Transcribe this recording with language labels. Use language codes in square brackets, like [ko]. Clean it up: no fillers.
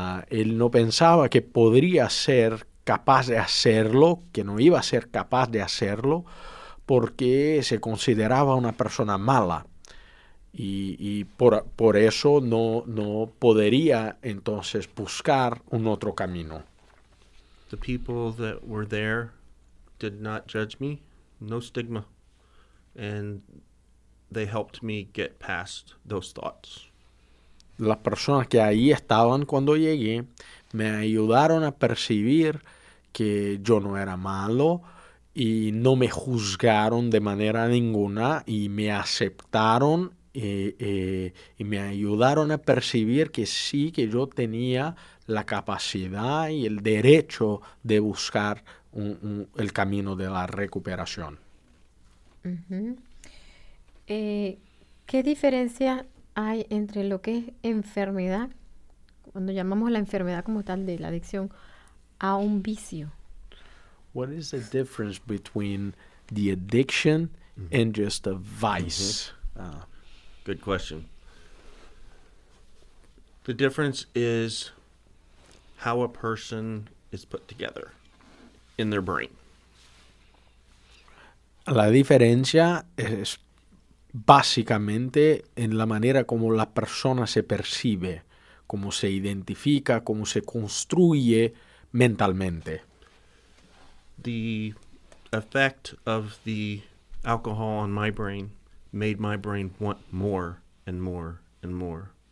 [es] Él no pensaba que podría ser capaz de hacerlo, que no iba a ser capaz de hacerlo, porque se consideraba una persona mala. Y por eso no podría entonces buscar un otro camino. [en] The people that were there did not judge me. No stigma. And they helped me get past those thoughts. [es] Las personas que ahí estaban cuando llegué me ayudaron a percibir que yo no era malo y no me juzgaron de manera ninguna y me aceptaron y me ayudaron a percibir que sí, que yo tenía la capacidad y el derecho de buscar el camino de la recuperación. Uh-huh. ¿Qué diferencia hay entre lo que es enfermedad, cuando llamamos la enfermedad como tal de la adicción, a un vicio? [en] What is the difference between the addiction mm-hmm. and just a vice? Mm-hmm. Good question. The difference is how a person is put together in their brain. [es] La diferencia es básicamente en la manera como la persona se percibe, cómo se identifica, cómo se construye mentalmente. [en] The effect of the alcohol on my brain made my brain want more and more and more.